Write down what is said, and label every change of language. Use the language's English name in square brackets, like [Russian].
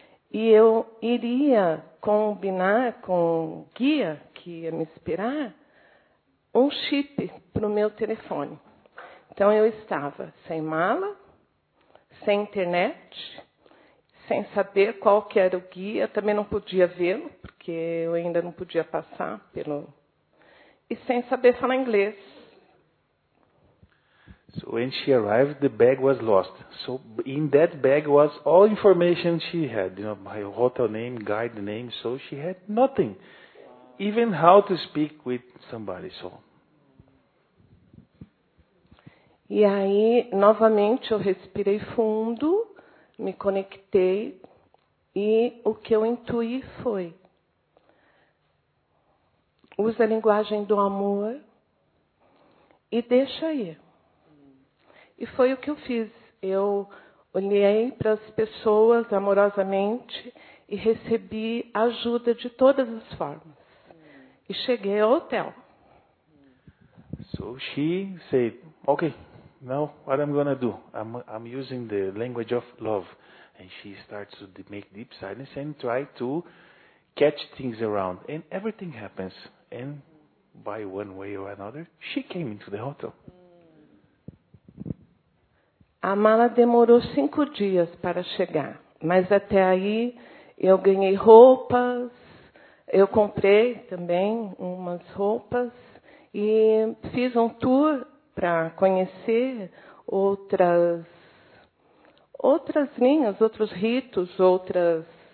[Portuguese] E eu iria combinar com o guia que ia me esperar um chip para o meu telefone. Então eu estava sem mala, sem internet, sem saber qual que era o guia. Eu também não podia vê-lo, porque eu ainda não podia passar pelo... E sem saber falar inglês. [English] So when she arrived, the bag was lost. So in that bag was all information she had, you know, my hotel name, guide name. So she had nothing, even how to speak with somebody. So. [Portuguese] E aí, novamente, eu respirei fundo, me conectei, e o que eu intuí foi: usa a linguagem do amor e deixa ir. E foi o que eu fiz. Eu olhei para as pessoas amorosamente e recebi ajuda de todas as formas. E cheguei ao hotel. [English] So she said, okay, now what I'm gonna do? I'm using the language of love. And she starts to make deep silence and try to catch things around. And everything happens. And by one way or another, she came into the hotel. [Portuguese] A mala demorou 5 dias para chegar, mas até aí eu ganhei roupas, eu comprei também umas roupas e fiz um tour para conhecer outras linhas, outros ritos, outras